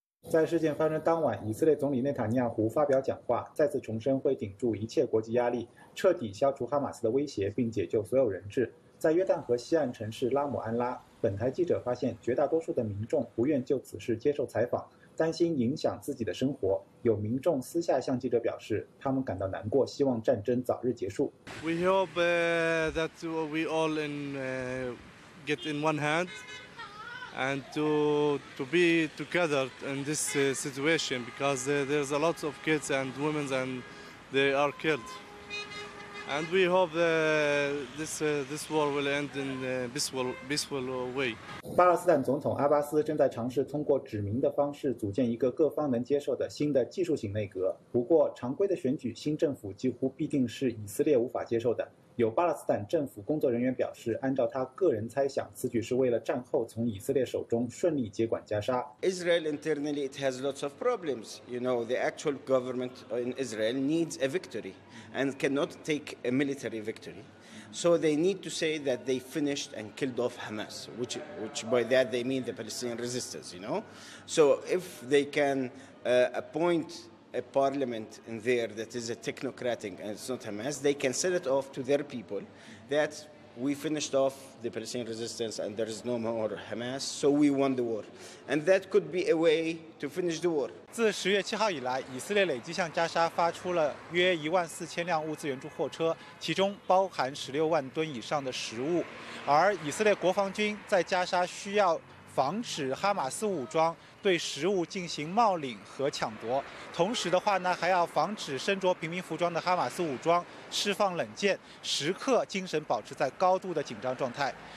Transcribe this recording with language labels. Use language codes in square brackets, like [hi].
[zh] 在事件发生当晚，以色列总理内塔尼亚胡发表讲话，再次重申会顶住一切国际压力，彻底消除哈马斯的威胁，并解救所有人质。在约旦河西岸城市拉姆安拉，本台记者发现绝大多数的民众不愿就此事接受采访，担心影响自己的生活。有民众私下向记者表示，他们感到难过，希望战争早日结束。 [en] We hope that we all in get in one hand and to be together in this situation because there's a lot of kids and women and they are killed. And we hope this war will end in a peaceful way. [zh] 巴勒斯坦总统阿巴斯正在尝试通过指名的方式组建一个各方能接受的新的技术型内阁。不过，常规的选举，新政府几乎必定是以色列无法接受的。有巴勒斯坦政府工作人员表示，按照他个人猜想，此举是为了战后从以色列手中顺利接管加沙。 [en] Israel internally it has lots of problems. You know, the actual government in Israel needs a victory and cannot take a military victory. So they need to say that they finished and killed off Hamas, which by that they mean the Palestinian resistance. You know, so if they can appoint. A parliament in there that is a technocratic and it's not Hamas, they can sell it off to their people that we finished off the Palestinian resistance and there is no more Hamas, so we won the war. And that could be a way to finish the war. [zh] 自十月七号以来，以色列累计向加沙发出了约14000辆物资援助货车，其中包含16万吨以上的食物。而以色列国防军在加沙需要防止哈马斯武装对食物进行冒领和抢夺，同时的话呢，还要防止身着平民服装的哈马斯武装释放冷箭，时刻精神保持在高度的紧张状态。